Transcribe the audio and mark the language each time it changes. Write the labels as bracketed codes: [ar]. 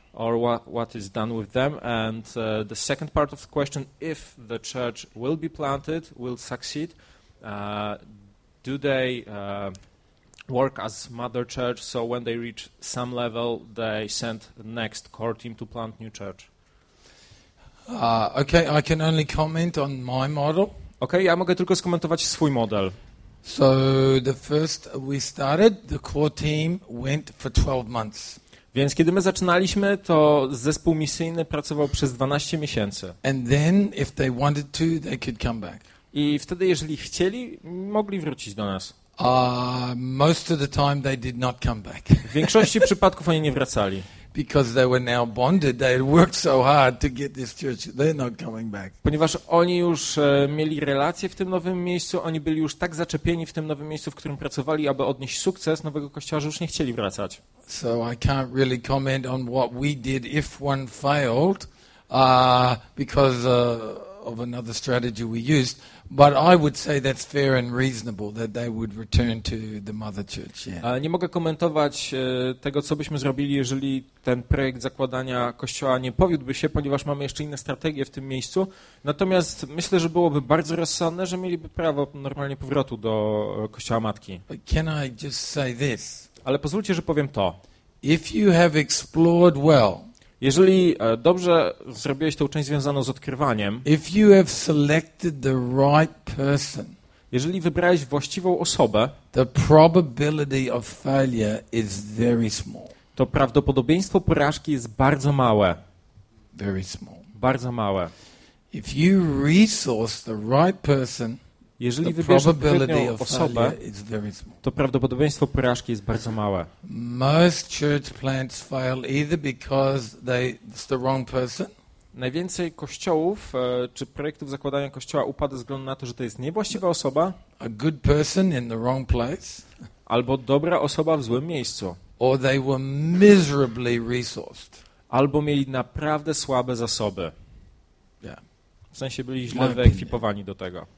[en] Or what is done with them? And the second part of the question, if the church will be planted, will succeed, do they work as mother church? So when they reach some level, they send the next core team to plant new church. Okay, I can only comment on my model. [pl] Okay, ja mogę tylko skomentować swój model. [en] So the first we started, the core team went for 12 months. [pl] Więc kiedy my zaczynaliśmy, to zespół misyjny pracował przez 12 miesięcy. [en] And then, if they wanted to, they could come back. [pl] I wtedy, jeżeli chcieli, mogli wrócić do nas. [en] Most of the time they did not come back. [pl] W większości przypadków oni nie wracali. [en] Because they were now bonded, they worked so hard to get this church, they're not coming back. [pl] Ponieważ oni już mieli relacje w tym nowym miejscu, oni byli już tak zaczepieni w tym nowym miejscu, w którym pracowali, aby odnieść sukces nowego kościoła, że już nie chcieli wracać. [en] So I can't really comment on what we did if one failed, because of another strategy we used, but I would say that's fair and reasonable that they would return to the mother church. Yeah. [pl] Ale nie mogę komentować tego, co byśmy zrobili, jeżeli ten projekt zakładania kościoła nie powiódłby się, ponieważ mamy jeszcze inne strategie w tym miejscu. Natomiast myślę, że byłoby bardzo rozsądne, że mieliby prawo normalnie powrotu do kościoła matki. [en] But can I just say this? [pl] Ale pozwólcie, że powiem to. [en] If you have explored well, [pl] jeżeli dobrze zrobiłeś tą część związaną z odkrywaniem, [en] if you have selected the right person, [pl] jeżeli wybrałeś właściwą osobę, [en] the probability of failure is very small. [pl] To prawdopodobieństwo porażki jest bardzo małe. [en] Very small. [pl] Bardzo małe. [en] If you resource the right person, [pl] jeżeli [en] the [pl] wybierzesz [en] probability [pl] odpowiednią osobę, [en] is very small. [pl] To prawdopodobieństwo porażki jest bardzo małe. [en] Most church plants fail either because it's the wrong person. [pl] Najwięcej kościołów czy projektów zakładania kościoła upada ze względu na to, że to jest niewłaściwa osoba. [en] A good person in the wrong place. [pl] Albo dobra osoba w złym miejscu. [en] Or they were miserably resourced. [pl] Albo mieli naprawdę słabe zasoby. [en] Yeah. [pl] W sensie byli źle wyekwipowani do tego.